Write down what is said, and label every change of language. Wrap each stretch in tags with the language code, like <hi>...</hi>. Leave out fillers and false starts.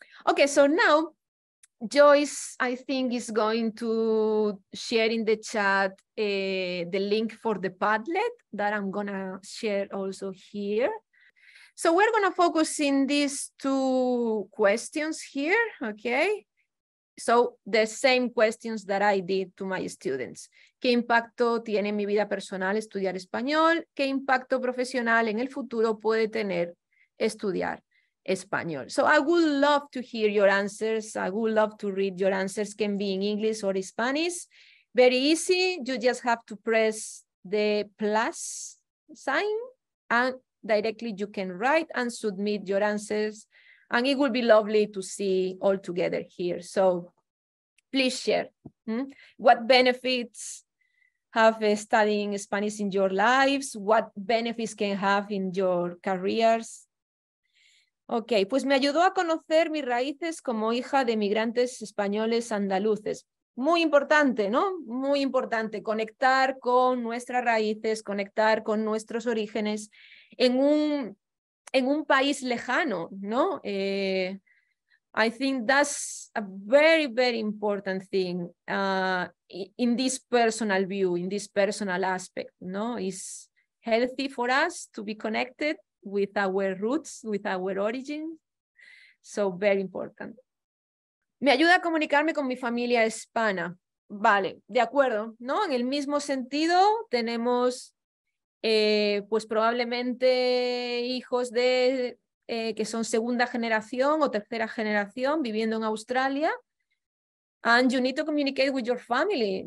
<en>Okay, so now, Joyce, I think, is going to share in the chat the link for the Padlet that I'm going to share also here. So we're going to focus in these two questions here, okay? So the same questions that I did to my students.</en> <es>¿Qué impacto tiene en mi vida personal estudiar español? ¿Qué impacto profesional en el futuro puede tener estudiar español?</es> <en>So I would love to hear your answers. I would love to read your answers, can be in English or Spanish. Very easy. You just have to press the plus sign and directly you can write and submit your answers. And it will be lovely to see all together here. So please share. What benefits have studying Spanish in your lives? What benefits can have in your careers?</en> <es>Ok, pues me ayudó a conocer mis raíces como hija de migrantes españoles andaluces. Muy importante, ¿no? Muy importante conectar con nuestras raíces, conectar con nuestros orígenes en un país lejano, ¿no?</es> <en>I think that's a very, very important thing in this personal view, in this personal aspect, no? It's healthy for us to be connected with our roots, with our origins. So very important.</en> <es>Me ayuda a comunicarme con mi familia hispana. Vale, de acuerdo, ¿no? En el mismo sentido tenemos, pues probablemente hijos de que son segunda generación o tercera generación viviendo en Australia.</es> <en>And you need to communicate with your family.</en>